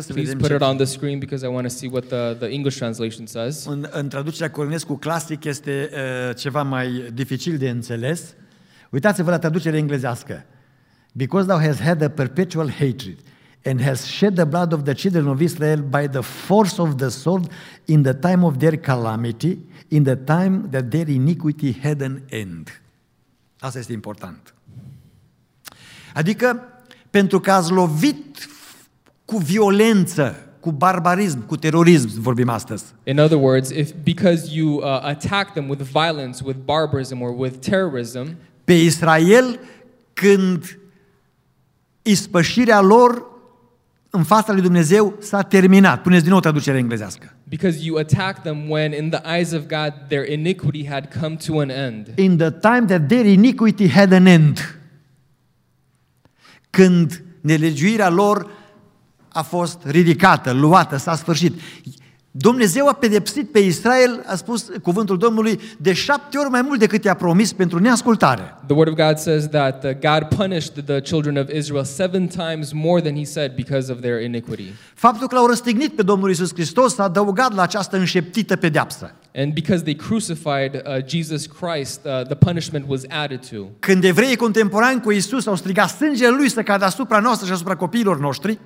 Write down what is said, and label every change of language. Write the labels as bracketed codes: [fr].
[ro] Să [en] please [ro] vedem [en] put [ro] ce [en] it on the screen because I want to see what the English translation says. [ro] În traducerea Cornescu clasic este ceva mai dificil de înțeles. Uitați-vă la traducerea englezească. [en] Because thou hast had a perpetual hatred and hast shed the blood of the children of Israel by the force of the sword in the time of their calamity, in the time that their iniquity had an end. [ro] Asta este important. Adică, pentru că ați lovit cu violență, cu barbarism, cu terorism, vorbim astăzi. [en] In other words, if because you attack them with violence, with barbarism or with terrorism, [ro] pe Israel, când ispășirea lor în fața lui Dumnezeu s-a terminat. Puneți din nou traducerea englezească. [en] Because you attack them when in the eyes of God their iniquity had come to an end. In the time that their iniquity had an end. [ro] Când nelegiuirea lor a fost ridicată, luată, s-a sfârșit. Dumnezeu a pedepsit pe Israel, a spus cuvântul Domnului, de 7 ori mai mult decât i-a promis pentru neascultare. [en] The word of God says that God punished the children of Israel 7 times more than he said because of their iniquity. [ro] Faptul că l-au răstignit pe Domnul Iisus Hristos s-a adăugat la această înșeptită pedeapsă. [en] And because they crucified Jesus Christ, the punishment was added to. [ro] Când evreii contemporani cu Isus au strigat sângele lui să cadă asupra noastră și asupra copiilor noștri,